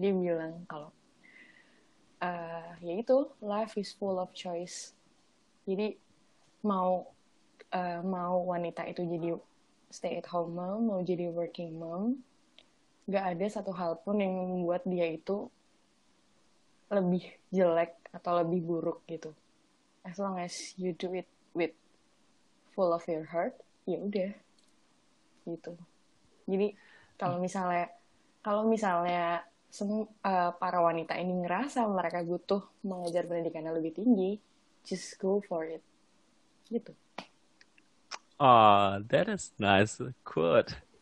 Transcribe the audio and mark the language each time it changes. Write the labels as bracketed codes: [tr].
[id] Dia bilang kalau, ya itu, life is full of choice. Jadi, mau wanita itu jadi stay at home mom, mau jadi working mom, gak ada satu hal pun yang membuat dia itu lebih jelek atau lebih buruk gitu. [en] As long as you do it with full of your heart, ya udah gitu. [id] Jadi kalau misalnya para wanita ini ngerasa mereka butuh mengajar pendidikan yang lebih tinggi, just go for it gitu. [en] Oh, that is nice quote.